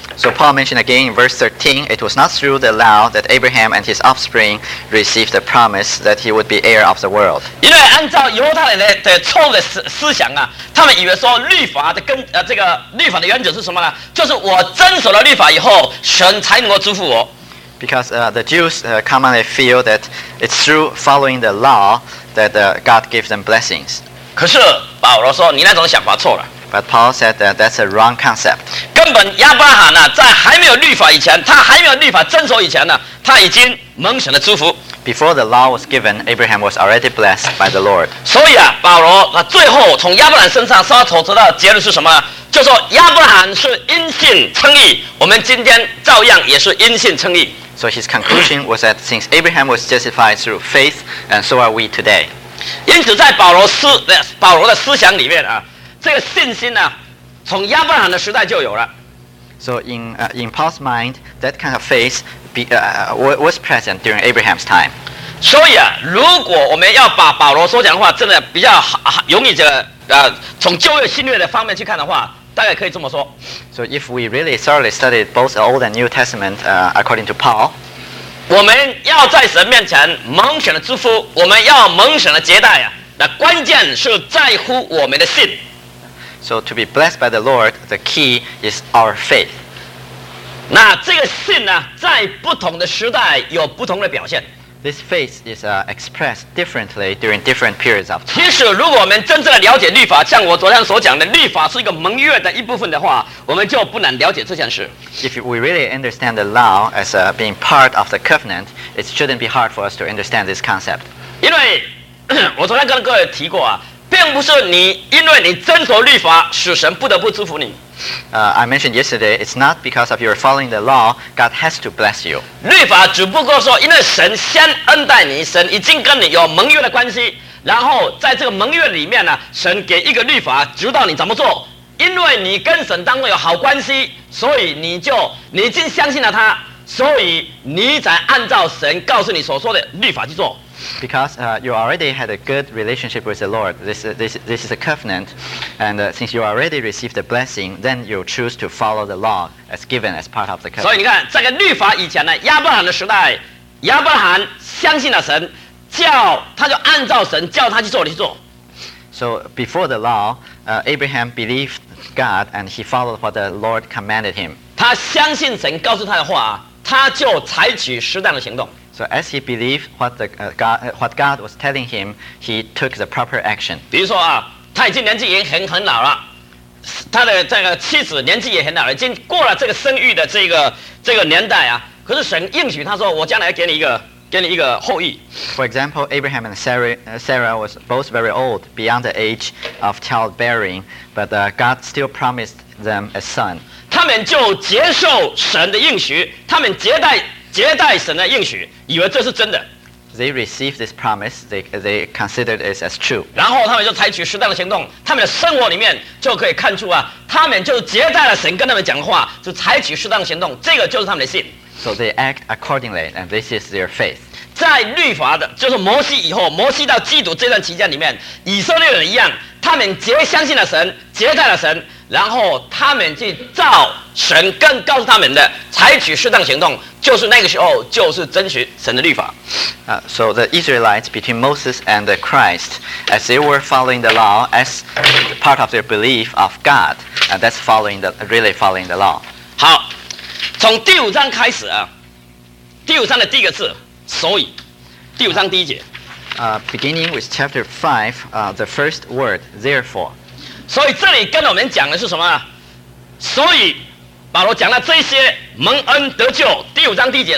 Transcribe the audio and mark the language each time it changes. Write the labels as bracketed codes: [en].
[en] So Paul mentioned again in verse 13, it was not through the law that Abraham and his offspring received the promise that he would be heir of the world. [zh] 因为按照犹太人的错误的思想啊，他们以为说律法的根这个律法的原则是什么呢？就是我遵守了律法以后，神才能够祝福我。 [en] Because the Jews commonly feel that it's through following the law that God gives them blessings. [zh] 可是保罗说，你那种想法错了。 [en] But Paul said that that's a wrong concept. [zh] 各根本亚伯拉罕、啊、在还没有律法以前，他还没有律法遵守以前、啊、他已经蒙神的祝福。 [en] Before the law was given, Abraham was already blessed by the Lord. [zh] 所以啊，保罗啊，最后从亚伯兰身上所得到的结论是什么？就说亚伯兰是因信称义，我们今天照样也是因信称义。 [en] So his conclusion was that since Abraham was justified through faith, and so are we today. [zh] 因此，在保罗的思想里面啊，这个信心呢、啊，从亚伯兰的时代就有了。 [en] So in Paul's mind, that kind of faith. Was present during Abraham's time. [zh] 所以啊，如果我们要把保罗所讲的话真的比较容易的从旧约新约的方面去看的话，大概可以这么说。 [en] So if we really thoroughly studied both the Old and New Testament, according to Paul, [zh] 我们要在神面前蒙神的祝福，我们要蒙神的接待啊，那关键是在乎我们的信。 [en] So to be blessed by the Lord, the key is our faith. [zh] 那这个信呢，在不同的时代有不同的表现。 [en] This faith is expressed differently during different periods of time. [zh] 其实，如果我们真正的了解律法，像我昨天所讲的，律法是一个蒙悦的一部分的话，我们就不难了解这件事。 [en] If we really understand the law as being part of the covenant, it shouldn't be hard for us to understand this concept. [zh] 因为我昨天跟各位提过啊，并不是你因为你遵守律法，使神不得不祝福你。 [en] I mentioned yesterday, it's not because of your following the law, God has to bless you. [zh] 律法只不过说，因为神先恩待你，神已经跟你有盟约的关系，然后在这个盟约里面呢，神给一个律法指导你怎么做。因为你跟神当中有好关系，所以你已经相信了他，所以你才按照神告诉你所说的律法去做。 [en] Because you already had a good relationship with the Lord, this is a covenant, and since you already received the blessing, then you choose to follow the law as given as part of the covenant. [zh] 所以你看，在这个律法以前呢，亚伯兰的时代，亚伯兰相信了神，叫他就按照神叫他去做，你去做。 [en] So before the law, Abraham believed God and he followed what the Lord commanded him. [zh] 他相信神告诉他的话，他就采取适当的行动。 [en] So as he believed what God was telling him, he took the proper action. [zh] 比如说啊，他已经年纪已经很老了，他的这个妻子年纪也很老了，已经过了这个生育的这个年代啊。可是神应许他说，我将来给你一个后裔。 [en] For example, Abraham and Sarah was both very old, beyond the age of childbearing, but God still promised them a son. [zh] 他们就接受神的应许，他们接待神的应许，以为这是真的。 [en] They received this promise. They considered it as true. [zh] 然后他们就采取适当的行动，他们的生活里面就可以看出啊，他们就接待了神跟他们讲的话，就采取适当的行动，这个就是他们的信。 [en] So they act accordingly, and this is their faith. [zh] 在律法的，就是摩西以后，摩西到基督这段期间里面，以色列人一样，他们相信了神，接待了神。然后他们去照神更告诉他们的采取适当行动，就是那个时候就是遵循神的律法。 [en] So the Israelites between Moses and Christ, as they were following the law as part of their belief of God, and that's really following the law. [zh] 好，从第五章开始啊，第五章的第一个字，所以，第五章第一节。 [en] Beginning with chapter 5, the first word, therefore. [zh] 所以这里跟我们讲的是什么？所以保罗讲了这些蒙恩得救，第五章第一节。